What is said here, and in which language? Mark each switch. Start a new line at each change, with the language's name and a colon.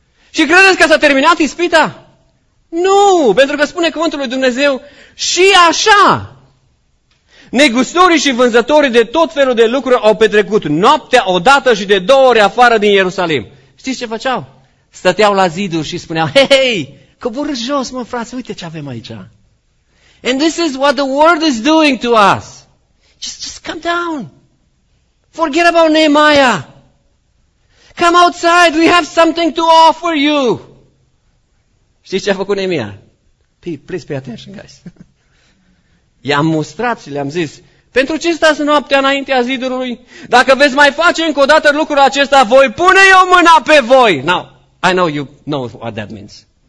Romanian: Și credeți că s-a terminat ispita? Nu, pentru că spune cuvântul lui Dumnezeu, și așa. Negustorii și vânzătorii de tot felul de lucruri au petrecut noaptea odată și de două ori afară din Ierusalim. Știți ce făceau? stăteau la ziduri și spuneau, hei, coborâți jos, mă, frate, uite ce avem aici.
English: And this is what the world is doing to us. Just come down. Forget about Nehemiah. Come outside, we have something to offer you.
Romanian: Știți ce a făcut Nehemia?
English: Please pay attention, guys.
Romanian: I-am mustrat și le-am zis, pentru ce stați noaptea înaintea zidurului? Dacă veți mai face încă o dată lucrul acesta, voi pune eu mâna pe voi.
English: Now, I know you know what that means.